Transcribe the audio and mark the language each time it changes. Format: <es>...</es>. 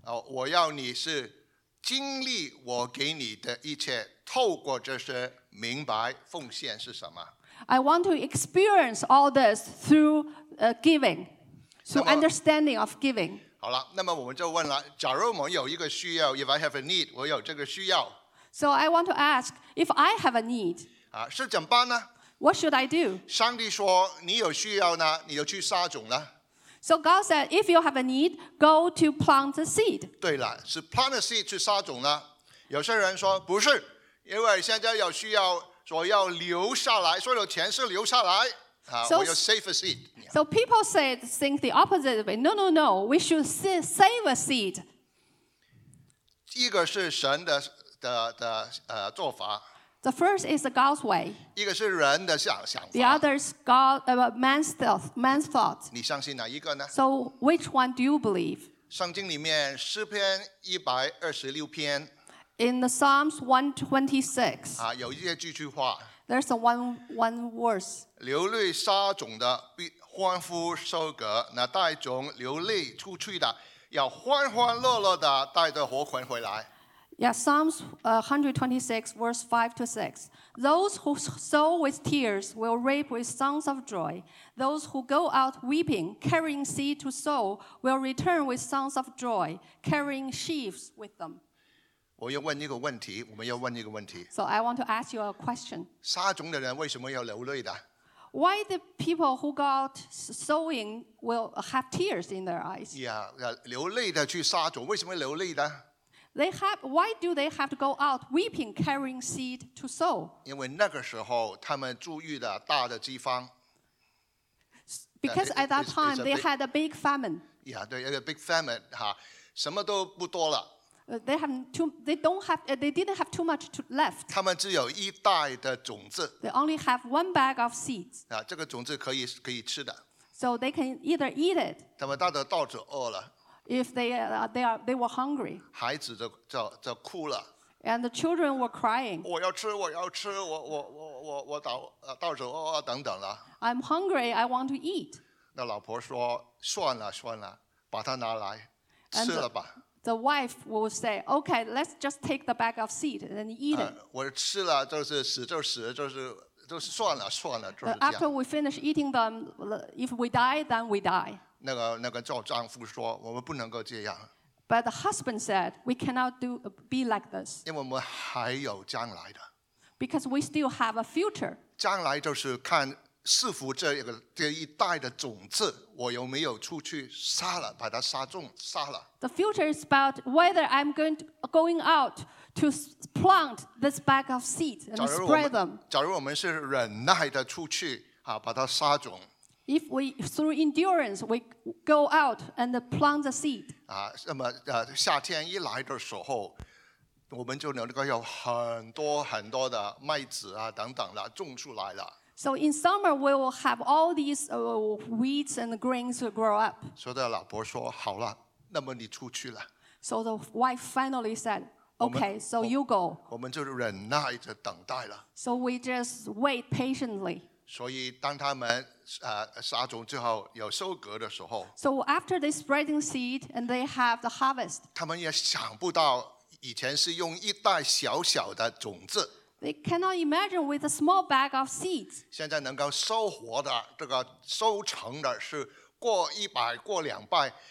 <zh>我要你是经历我给你的一切，透过这些明白奉献是什么。</zh> <en>I want to experience all this through giving, through understanding of giving.</en> <zh>好了，那么我们就问了，假如我们有一个需要 ，</zh> <en>if I have a need,</en> <zh>我有这个需要。</zh> <en>So I want to ask if I have a need.</en> <zh>是怎么办呢</zh> <en>？What should I do?</en> <zh>上帝说你有需要呢，你就去撒种了。</zh> <en>So God said, if you have a need, go to plant the seed.</en> <zh>对了，是</zh> <en>plant the seed</en> <zh>去撒种呢。有些人说不是，因为现在有需要，所以要留下来，所有钱是留下来。</zh> <en>So,</en> <zh>我要</zh> <en>save a seed. So people think the opposite way. No, no, no. We should save a seed.</en> <zh>一个是神的做法。</zh> <en>The first is the God's way.</en> <zh>一个是人的想法。</zh> <en>The other is man's thought.</en> <zh>你相信哪一个呢？</zh> <en>So which one do you believe?</en> <zh>圣经里面诗篇一百二十六篇。</zh> <en>In the Psalms 126.</en> <zh>有一些句句话。</zh> <en>There's one verse.</en> <zh>流泪撒种的必欢呼收割，那带种流泪出去的要欢欢乐乐的带着禾捆回来。</zh> <en>Yeah, Psalms 126, verse 5 to 6. Those who sow with tears will reap with songs of joy. Those who go out weeping, carrying seed to sow, will return with songs of joy, carrying sheaves with them.</en> <zh>我要问一个问题，我们要问一个问题。</zh> <en>So I want to ask you a question.</en> <zh>撒种的人为什么要流泪的？</zh> <en>why the people who got sowing will have tears in their eyes? Yeah,</en> <zh>流泪的去撒种，为什么流泪的？</zh> <en>They have, why do they have to go out weeping, carrying seed to sow?</en> <zh>因为那个时候他们注意的大的饥荒。</zh> <en>Because at that time, they had a big famine. Yeah, they had a big famine.</en> <zh>哈，什么都不多了。</zh> <en>They didn't have too much left.</en> <zh>他们只有一袋的种子。</zh> <en>They only have one bag of seeds.</en> <zh>啊，这个种子可以吃的。</zh> <en>So they can either eat it.</en> <zh>他们到处饿了。</zh> <en>If they were hungry,</en> <zh>孩子就哭了</zh> <en>and the children were crying.</en> <zh>我要吃，我要吃，我到时候等等了</zh> <en>I'm hungry. I want to eat.</en> <zh>那老婆说算了，把它拿来吃了吧</zh> <en>The wife will say, "Okay, let's just take the bag of seed and eat it."</en> <zh>我吃了就是死就死就是。就是算了算了、就是、</zh> <en>After we finish eating them, if we die, then we die.</en> <zh>那个叫丈夫说，我们不能够这样。</zh> <en>But the husband said, we cannot be like this.</en> <zh>因为我们还有将来的。</zh> <en>Because we still have a future.</en> <zh>将来就是看是否这一代的种子，我有没有出去杀了，把它杀种杀了。</zh> <en>The future is about whether I'm going out. To plant this bag of seeds and spread them.</en> <zh>假如我们是忍耐的出去啊，把它撒种。</zh> <en>If we through endurance we go out and plant the seed.</en> <zh>啊，那么夏天一来的时候，我们就能够有很多很多的麦子啊等等的种出来了。</zh> <en>So in summer we will have all these wheats and grains to grow up.</en> <zh>所以老婆说好了，那么你出去了。</zh> <en>So the wife finally said. Okay, so you go.</en> <zh>我们就忍耐着等待了。</zh> <en>So we just wait patiently.</en> <zh>所以当他们撒种之后有收割的时候</zh> <en>，So after they spreading seed and they have the harvest.</en> <zh>他们也想不到以前是用一袋小小的种子。</zh> <en>They cannot imagine with a small bag of seeds.</en> <zh>现在能够收获的这个收成的是过一百过两百。</zh>